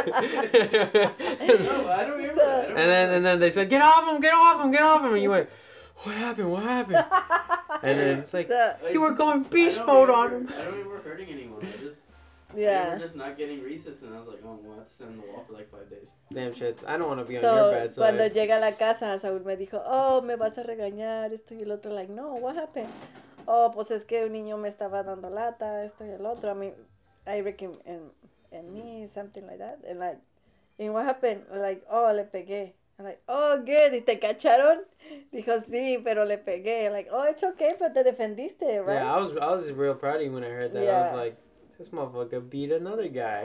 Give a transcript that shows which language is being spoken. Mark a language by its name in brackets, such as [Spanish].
[English] No, I don't remember that. Don't remember then that. And then they said, get off him, and you went, what happened? And then it's like, you were going beast mode on him. I don't remember hurting anyone. Yeah. I remember just not getting recess, and I was like, oh, I'm going to have to send them off for like 5 days. Damn shit. I don't want to be on your bad side. [Spanish] So, cuando llega a la casa, Saúl me dijo, oh, me vas a regañar, esto y el otro. [English] Like, no, what happened? [Spanish] Oh, pues es que un niño me estaba dando lata, esto y el otro. [English] I mean, I reckon in me, something like that. And like, and what happened? Like, oh, [Spanish] le pegué. [English] I'm like, oh, good. [Spanish] ¿Y te cacharon? Dijo, sí, pero le pegué. [English] Like, oh, it's okay, [Spanish] pero te defendiste, right? [English] Yeah, I was real proud of you when I heard that. Yeah. I was like, this motherfucker beat another guy.